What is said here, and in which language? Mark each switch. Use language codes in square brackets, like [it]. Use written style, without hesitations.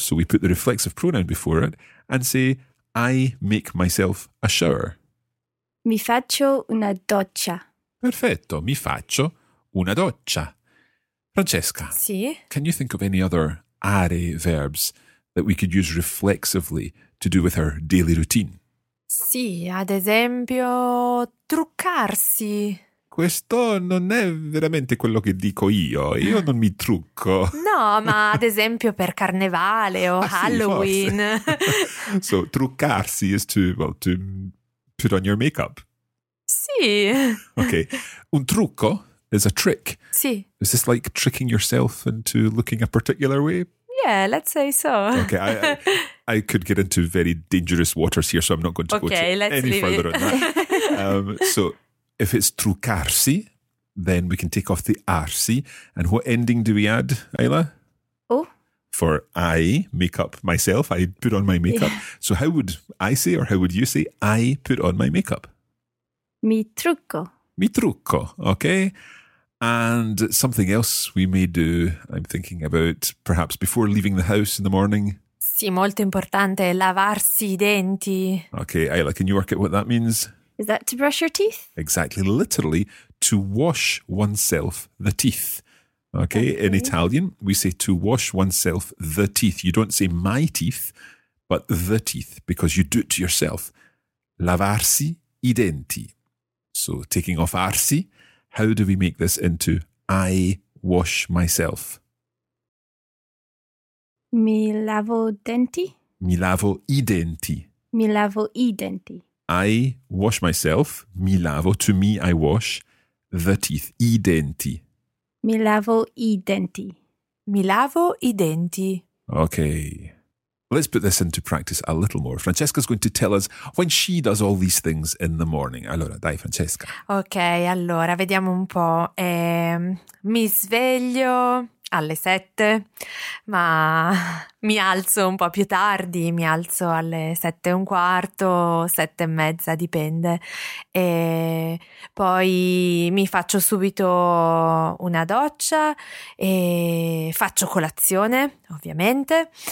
[en] So we put the reflexive pronoun before it and say, I make myself a shower. [it] Mi faccio una doccia. Perfetto. Mi faccio una doccia. Francesca, sì? [en] Can you think of any other are verbs that we could use reflexively to do with our daily routine? [it] Sì, ad esempio, truccarsi. Questo non è veramente quello che dico io. Io non mi trucco. No, ma ad esempio per carnevale o Halloween. [en] Sì, so, truccarsi is to put on your makeup. [it] Sì. [en] Okay. Un trucco is a trick. [it] Sì. [en] Is this like tricking yourself into looking a particular way? Yeah, let's say so. Okay, I could get into very dangerous waters here, so I'm not going to go any further on that. So, if it's truccarsi, then we can take off the arsi. And what ending do we add, Ayla? Oh. For I make up myself, I put on my makeup. Yeah. So how would I say, or how would you say, I put on my makeup? [it] Mi trucco. Mi trucco, okay. [en] And something else we may do, I'm thinking about perhaps before leaving the house in the morning. [it] Sì, molto importante, lavarsi i denti. [en] Okay, Ayla, can you work out what that means? Is that to brush your teeth? Exactly, literally, to wash oneself the teeth. Okay, in Italian, we say to wash oneself the teeth. You don't say my teeth, but the teeth, because you do it to yourself. [it] Lavarsi i denti. [en] So taking off arsi, How do we make this into I wash myself? [it] Mi lavo denti. Mi lavo i denti. Mi lavo i denti. [en] I wash myself. [it] Mi lavo. [en] To me, I wash the teeth. [it] I denti. Mi lavo i denti. Mi lavo i denti. [en] Okay. Let's put this into practice a little more. Francesca's going to tell us when she does all these things in the morning. [it] Allora, dai Francesca. Ok, allora, vediamo un po'. Mi sveglio alle 7, ma mi alzo un po' più tardi, mi alzo alle 7:15, 7:30, dipende. E poi mi faccio subito una doccia e faccio colazione, ovviamente.